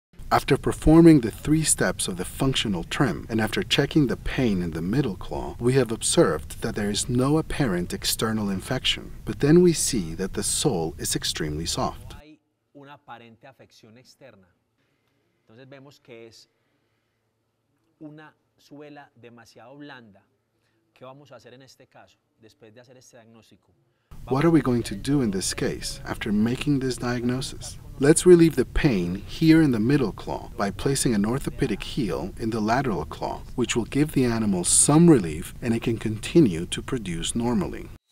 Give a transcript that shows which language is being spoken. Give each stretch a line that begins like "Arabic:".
English: After performing the three steps of the functional trim and after checking the pain in the middle claw, we have observed that there is no apparent external infection. But then we see that the sole is extremely soft.
Spanish: Aparente afección externa. Entonces vemos que es una suela demasiado blanda. ¿Qué vamos a hacer en este caso después de hacer este diagnóstico?
English: What are we going to do in this case after making this diagnosis? Let's relieve the pain here in the middle claw by placing an orthopedic heel in the lateral claw, which will give the animal some relief and it can continue to produce normally.